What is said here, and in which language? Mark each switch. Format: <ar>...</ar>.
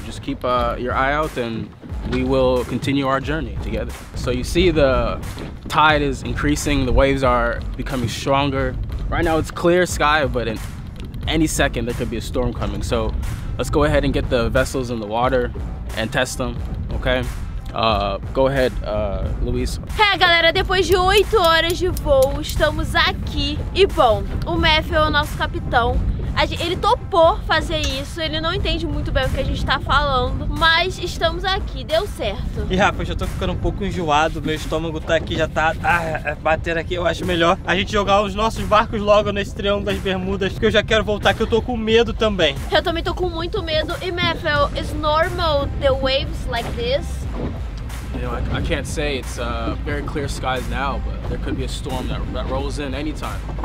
<en>Just keep your eye out and we will continue our journey together. So you see the tide is increasing, the waves are becoming stronger. Right now it's clear sky, but in any second there could be a storm coming. So let's go ahead and get the vessels in the water and test them, okay? Go ahead, Luis.</en> <pt>É, galera, depois de 8 horas de voo, estamos aqui. E, bom, o Matthew é o nosso capitão. Ele topou fazer isso, ele não entende muito bem o que a gente tá falando, mas estamos aqui, deu certo. E, Rafa, eu já tô ficando um pouco enjoado, meu estômago tá aqui, já tá batendo aqui. Eu acho melhor a gente jogar os nossos barcos logo nesse Triângulo das Bermudas, que eu já quero voltar, que eu tô com medo também. Eu também tô com muito medo.</pt> <en>E, Matthew, it's normal the waves like this? You know, I can't say. It's very clear skies now, but there could be a storm that rolls in anytime.</en>